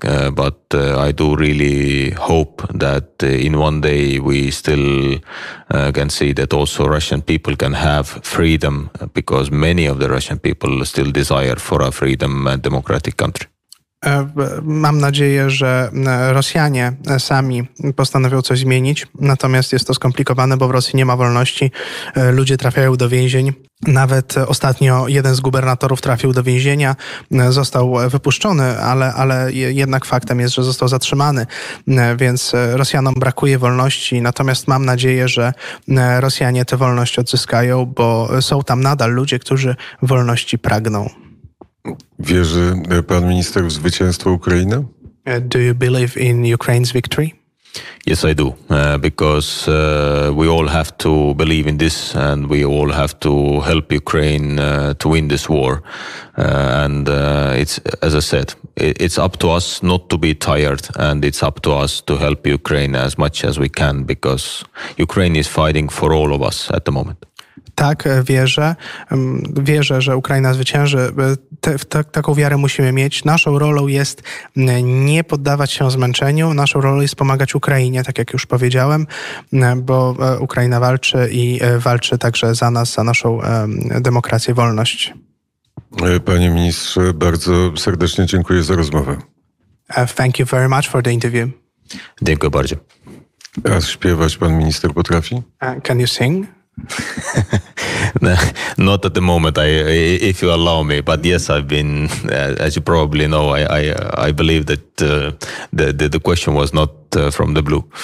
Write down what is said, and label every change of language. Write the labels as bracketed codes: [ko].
[en] I do really hope that in one day we still can see that also Russian people can have freedom, because many of the Russian people still desire for a freedom and democratic country. [pl] Mam nadzieję, że Rosjanie sami postanowią coś zmienić, natomiast jest to skomplikowane, bo w Rosji nie ma wolności. Ludzie trafiają do więzień. Nawet ostatnio jeden z gubernatorów trafił do więzienia, został wypuszczony, ale jednak faktem jest, że został zatrzymany, więc Rosjanom brakuje wolności, natomiast mam nadzieję, że Rosjanie tę wolność odzyskają, bo są tam nadal ludzie, którzy wolności pragną. Wierzy pan minister w zwycięstwo Ukrainy? [en] Do you believe in Ukraine's victory? Yes, I do, because we all have to believe in this, and we all have to help Ukraine to win this war. And it's, as I said, it's up to us not to be tired, and it's up to us to help Ukraine as much as we can, because Ukraine is fighting for all of us at the moment. [pl] Tak, wierzę. Wierzę, że Ukraina zwycięży. Taką wiarę musimy mieć. Naszą rolą jest nie poddawać się zmęczeniu. Naszą rolą jest pomagać Ukrainie, tak jak już powiedziałem, bo Ukraina walczy i walczy także za nas, za naszą demokrację, wolność. Panie ministrze, bardzo serdecznie dziękuję za rozmowę. [en] Thank you very much for the interview. [pl] Dziękuję bardzo. A śpiewać pan minister potrafi? [en] Can you sing? Not at the moment, if you allow me, but yes, I've been, as you probably know, I believe that the question was not from the blue.